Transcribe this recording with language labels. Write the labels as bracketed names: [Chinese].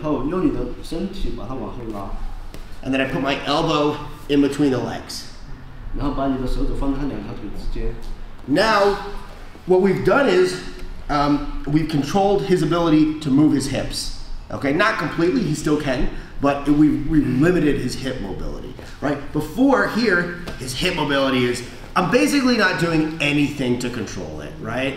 [Chinese] 当你的左手穿进去以后，用你的身体把它往后拉。 [English] And then I put my elbow in between the legs. [Chinese] 然后把你的手肘放在他两条腿之间。 [English] Now, what we've done is, we've controlled his ability to move his hips. Okay, not completely, he still can, but we've limited his hip mobility. Right? Before, here, his hip mobility is, I'm basically not doing anything to control it, right?